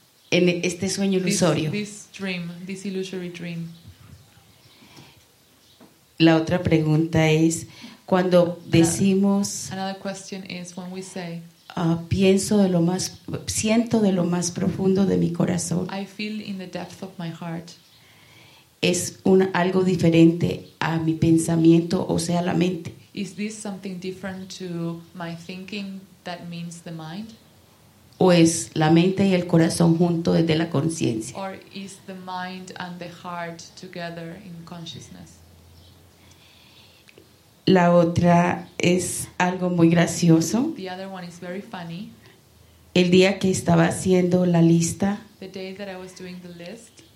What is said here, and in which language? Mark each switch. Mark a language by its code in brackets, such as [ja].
[es] En este sueño ilusorio. [en] This illusory dream. [es] La otra pregunta es cuando decimos [en] Another question is when we say [es] pienso de lo más siento de lo más profundo de mi corazón. [en] I feel in the depth of my heart. [es] Es un algo diferente a mi pensamiento, o sea, la mente. [en] Is this something different to my thinking that means the mind? [es] ¿O es la mente y el corazón junto desde la conciencia? [en] Or is the mind and the heart together in consciousness? [es] La otra es algo muy gracioso. [en] The other one is very funny. [es] El día que estaba haciendo la lista, [en] the day that I was doing the list,